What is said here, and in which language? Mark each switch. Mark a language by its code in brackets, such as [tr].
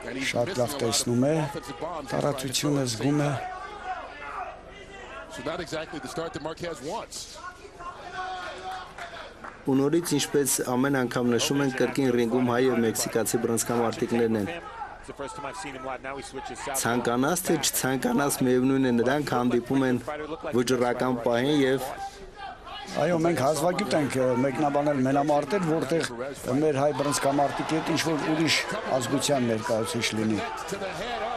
[hy] Շատ լավ տեսնում է, տարածությունը զգում է։ [en] So not exactly the start that Marquez wants. [hy] Ունորից ինչպես ամեն անգամ նշում են կրկին ռինգում հայ եւ մեքսիկացի բռնցքամարտիկներն են։ Ցանկանաս թե չցանկանաս միևնույն է նրանք հանդիպում են վճռական պահին եւ այո, մենք հազվագյուտ ենք մեկնաբանել մենամարտել, որտեղ մեր հայ բռնցքամարտիկի հետ ինչ որ ուրիշ ազգության ներկայացուցիչ լինի։